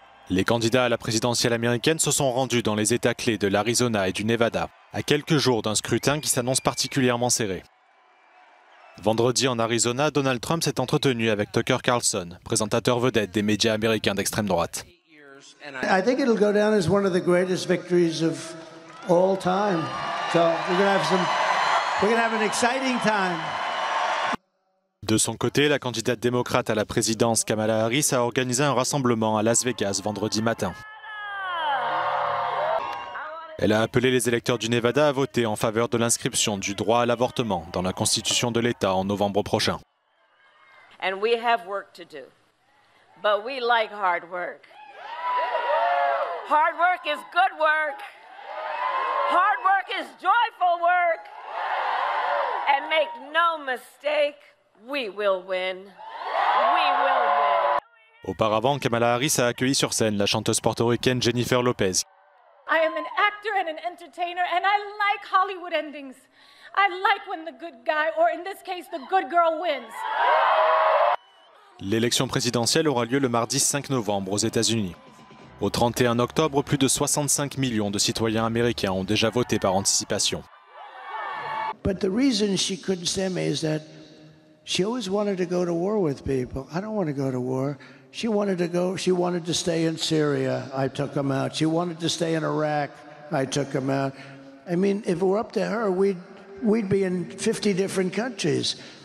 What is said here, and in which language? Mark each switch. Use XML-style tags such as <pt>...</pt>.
<en>Les candidats à la présidentielle américaine se sont rendus dans les États clés de l'Arizona et du Nevada, à quelques jours d'un scrutin qui s'annonce particulièrement serré. Vendredi en Arizona, Donald Trump s'est entretenu avec Tucker Carlson, présentateur vedette des médias américains d'extrême droite. I think it'll go down as one of the greatest victories of all time. So we're gonna have an exciting time.</en> <fr>De son côté, la candidate démocrate à la présidence, Kamala Harris, a organisé un rassemblement à Las Vegas vendredi matin. Elle a appelé les électeurs du Nevada à voter en faveur de l'inscription du droit à l'avortement dans la Constitution de l'État en novembre prochain.</fr> <en>And we have work to do, but we like hard work. Hard work is good work. Hard work is joyful work. And make no mistake, we will win. We will win.</en> <fr>Auparavant, Kamala Harris a accueilli sur scène la chanteuse portoricaine Jennifer Lopez.</fr> <en>I am an actor and an entertainer and I like Hollywood endings. I like when the good guy, or in this case, the good girl wins.</en> <fr>L'élection présidentielle aura lieu le mardi 5 novembre aux États-Unis. Au 31 octobre, plus de 65 millions de citoyens américains ont déjà voté par anticipation.</fr> <en>But the reason she couldn't send me is that she always wanted to go to war with people. I don't want to go to war. She wanted to stay in Syria. I took them out. She wanted to stay in Iraq. I took them out. I mean, if it were up to her, we'd be in 50 different countries.</en>